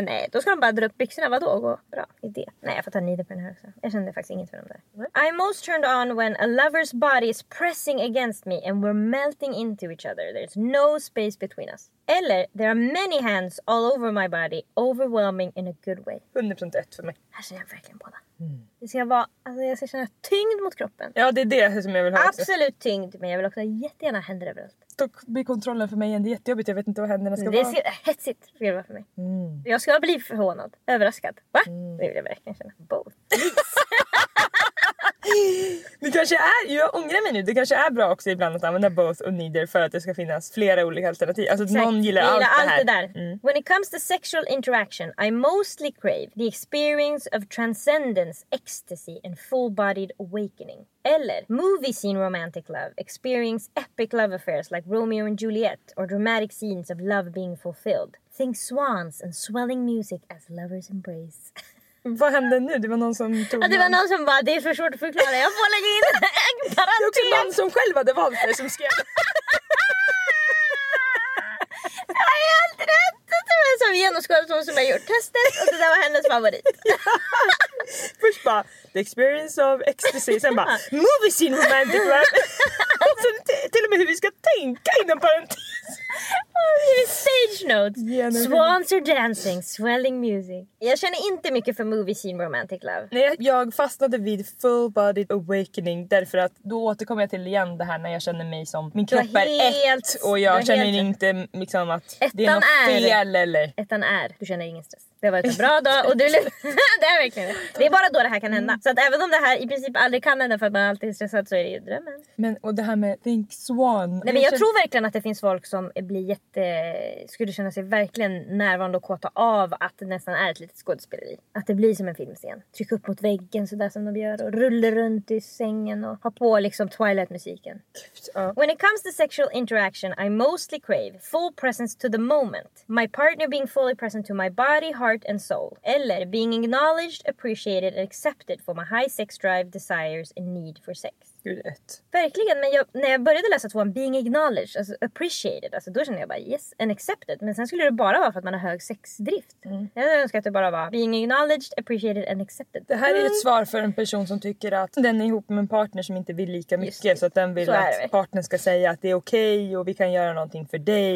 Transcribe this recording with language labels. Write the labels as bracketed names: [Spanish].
[Swedish] Nej, då ska de bara dra upp byxorna. Vadå? Gå. Bra idé. Nej, jag får ta nider på den här också. Jag kände faktiskt inget för dem där. [English] I'm most turned on when a lover's body is pressing against me and we're melting into each other. There's no space between us. Eller, there are many hands all over my body, overwhelming in a good way. [Swedish] 100% ett för mig. Här känner jag verkligen båda. Mm. Det ska vara, alltså jag ska känna tyngd mot kroppen. Ja, det är det som jag vill ha. Absolut också. Tyngd, men jag vill också jättegärna händer överallt. Då blir kontrollen för mig ändå jättejobbigt. Jag vet inte vad händerna ska det vara. Det är hetsigt för mig. Mm. Jag ska bli förhånad, överraskad. Va? Mm. Det vill jag verkligen känna. [English] Both. [Swedish] Det kanske är, jag ångrar mig nu. Det kanske är bra också ibland att använda both och neither för att det ska finnas flera olika alternativ. Alltså att någon gillar, gillar allt det här. Det där. Mm. [English] When it comes to sexual interaction, I mostly crave the experience of transcendence, ecstasy and full-bodied awakening. Eller movie scene romantic love, experience epic love affairs like Romeo and Juliet or dramatic scenes of love being fulfilled. Think swans and swelling music as lovers embrace. [Swedish] Vad hände nu? Det var någon som tog ja, det var någon som bara, det är för svårt att förklara. Jag får lägga in en parentes. Det är också någon som själv hade valt det som skrev. Jag är helt rätt. skadat hon som har gjort testet. Och det där var hennes favorit. Först bara, [English] the experience of ecstasy. [Swedish] Sen bara, [English] movie scene romantic rap. [Swedish] Och sen till och med hur vi ska tänka innan parentes. Oh, det är stage notes. [English] Swans are dancing, swelling music. [Swedish] Jag känner inte mycket för movie scene romantic love. Nej, jag fastnade vid [English] full body awakening. [Swedish] Därför att då återkommer jag till igen det här när jag känner mig som... Min kropp är ett och jag känner helt, inte liksom att det är något fel eller... Ettan är, du känner ingen stress. Det var en bra dag och du... det är verkligen det. Det är bara då det här kan hända. Så att även om det här i princip aldrig kan hända för att man alltid är stressad så är det ju drömmen. Men och det här med think swan. Nej, men jag tror verkligen att det finns folk som blir jätte... Skulle känna sig verkligen närvarande och kåta av att det nästan är ett litet skådespeleri. Att det blir som en filmscen. Tryck upp mot väggen sådär som de gör och rulla runt i sängen och ha på liksom Twilight-musiken. [English] When it comes to sexual interaction I mostly crave full presence to the moment. My partner being fully present to my body, heart and soul. Eller being acknowledged, appreciated and accepted for my high sex drive, desires and need for sex. [Swedish] Gud, ett. Verkligen, men jag, när jag började läsa tvåan, [English] being acknowledged, [Swedish] alltså [English] appreciated, [Swedish] alltså då kände jag bara [English] yes, and accepted. [Swedish] Men sen skulle det bara vara för att man har hög sexdrift. Mm. Jag önskar att det bara var [English] being acknowledged, appreciated and accepted. [Swedish] Det här är ett svar för en person som tycker att den är ihop med en partner som inte vill lika mycket. Så att den vill att partnern ska säga att det är okej okay och vi kan göra någonting för dig.